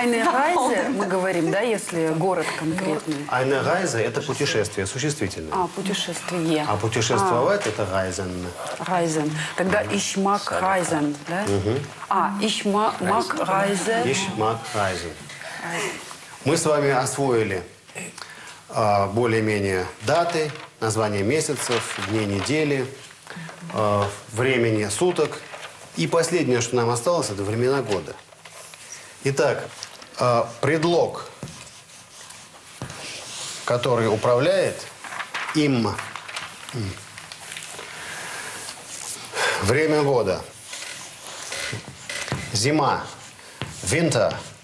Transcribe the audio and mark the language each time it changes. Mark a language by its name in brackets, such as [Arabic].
[Russian] Eine Reise, мы говорим, да, если город конкретный. Eine Reise – это путешествие, существительное. А, путешествие. А путешествовать – это reisen. [German] Reisen. Тогда ich mag reisen, да? А, ich mag reisen. Ich mag reisen. [Russian] Мы с вами освоили более-менее даты, названия месяцев, дней недели, времени суток. И последнее, что нам осталось, это времена года. Итак, предлог, который управляет им, время года, зима, winter.